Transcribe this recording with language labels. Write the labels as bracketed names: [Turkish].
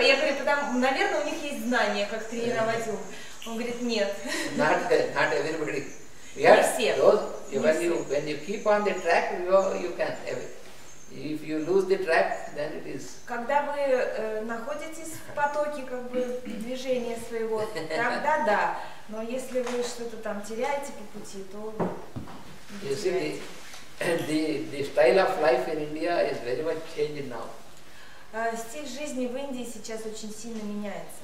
[Russian] Я говорю, потому, наверное, у них есть знания, как тренировать ум. Он говорит, нет. [English] Not everybody. Yeah, those, when you keep on the track, you can have it. If you lose the track, then it is. [Russian] Когда вы находитесь в потоке как бы движения своего, тогда да. Но если вы что-то там теряете по пути, то. [English] You see, the style of life in India is very much changing now. [Russian] Стиль жизни в Индии сейчас очень сильно меняется.